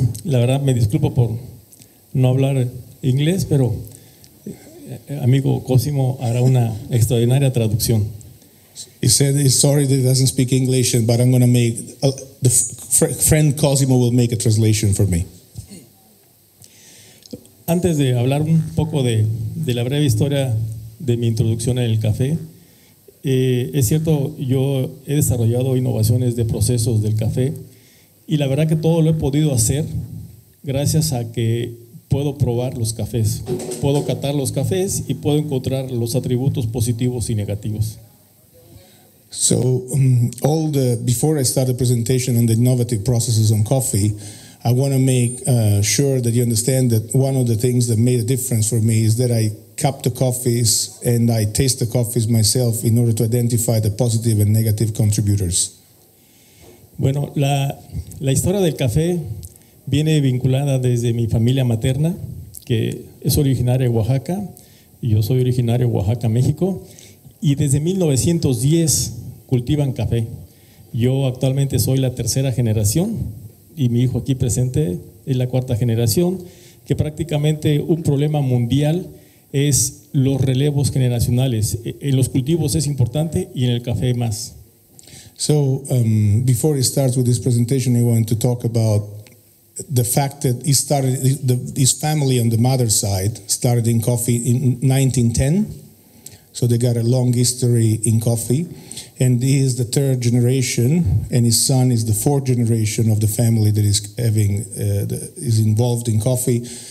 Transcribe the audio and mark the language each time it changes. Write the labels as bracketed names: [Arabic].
[Spanish] La verdad, me disculpo por no hablar inglés, pero amigo Cosimo hará una extraordinaria traducción. [English] He said he's sorry that he doesn't speak English, but I'm going to make, the friend Cosimo will make a translation for me. [Spanish] Antes de hablar un poco de la breve historia de mi introducción en el café, es cierto, yo he desarrollado innovaciones de procesos del café, y la verdad que todo lo he podido hacer gracias a que puedo probar los cafés, puedo catar los cafés y puedo encontrar los atributos positivos y negativos. [English] So all the before I start the presentation on the innovative processes on coffee, I want to make sure that you understand that one of the things that made a difference for me is that I cup the coffees and I taste the coffees myself in order to identify the positive and negative contributors. [Spanish] Bueno, la historia del café viene vinculada desde mi familia materna, que es originaria de Oaxaca, y yo soy originario de Oaxaca, México, y desde 1910 cultivan café. Yo actualmente soy la tercera generación, y mi hijo aquí presente es la cuarta generación, que prácticamente un problema mundial es los relevos generacionales. En los cultivos es importante y en el café más. [English] So, before he starts with this presentation, he wanted to talk about the fact that he started, his family on the mother's side started in coffee in 1910. So they got a long history in coffee. And he is the third generation, and his son is the fourth generation of the family that is having, is involved in coffee.